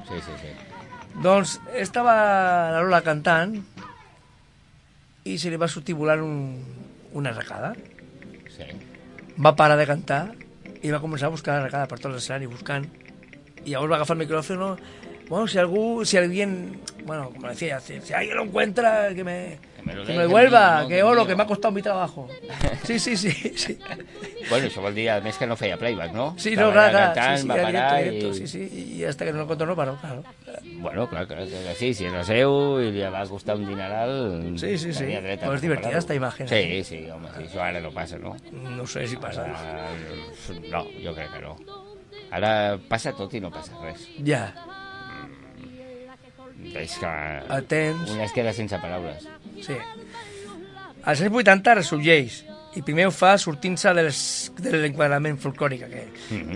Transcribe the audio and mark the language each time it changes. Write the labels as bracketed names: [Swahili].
[Catalan] Sí, sí, sí. Doncs estava la Lola cantant i se li va sortir volant una arracada. Sí. Va parar de cantar i va començar a buscar la recada per tot l'escenari, buscant. I llavors va agafar el micròfon, no? [Spanish] Bueno, [Catalan] si algú, [Spanish] si alguien, bueno, como decía, si alguien lo encuentra, que me lo devuelva, que oro, que me ha costado mi trabajo. Sí, sí, sí, sí. [Catalan] Bueno, eso vol dir, a més, que no feia playback, no? Sí, no, clar, clar. [Spanish] Sí, sí, directo, sí, sí, i hasta que no lo encontró, no paró, claro. [Catalan] Bueno, clar, que sí, si era seu i li va costar un dineral... [Spanish] Sí, sí, sí, pues divertida esta imagen. [Catalan] Sí, sí, home, això ara no passa, no? No sé si passa. No, jo crec que no. Ara passa tot i no passa res. Ja. És que... Atents. Una es queda sense paraules. Sí. Als anys 80 ressorgeix. I primer ho fa sortint-se de l'enquadrament folclòric aquell. Mm-hmm.